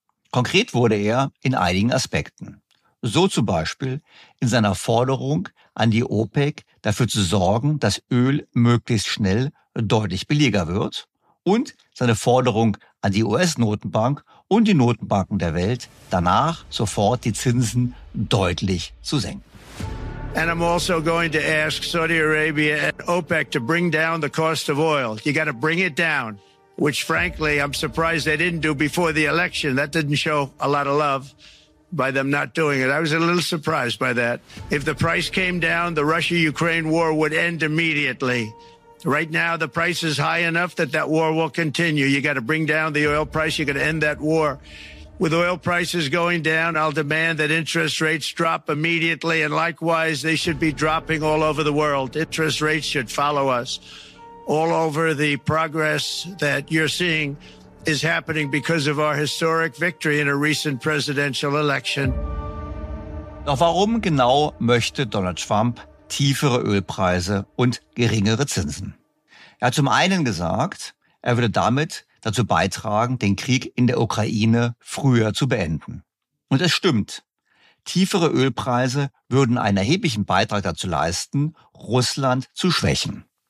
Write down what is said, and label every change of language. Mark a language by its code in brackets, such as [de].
[de] Konkret wurde er in einigen Aspekten. So zum Beispiel in seiner Forderung an die OPEC, dafür zu sorgen, dass Öl möglichst schnell deutlich billiger wird, und seine Forderung an die US-Notenbank und die Notenbanken der Welt, danach sofort die Zinsen deutlich zu senken. [en] And I'm also going to ask Saudi Arabia and OPEC to bring down the cost of oil. You got to bring it down, which frankly I'm surprised they didn't do before the election. That didn't show a lot of love by them not doing it. I was a little surprised by that. If the price came down, the Russia-Ukraine war would end immediately. Right now, the price is high enough that that war will continue. You got to bring down the oil price. You got to end that war. With oil prices going down, I'll demand that interest rates drop immediately. And likewise, they should be dropping all over the world. Interest rates should follow us. All over the progress that you're seeing is happening because of our historic victory in a recent presidential election. [de] Doch warum genau möchte Donald Trump tiefere Ölpreise und geringere Zinsen? Er hat zum einen gesagt, er würde damit dazu beitragen, den Krieg in der Ukraine früher zu beenden. Und es stimmt. Tiefere Ölpreise würden einen erheblichen Beitrag dazu leisten, Russland zu schwächen.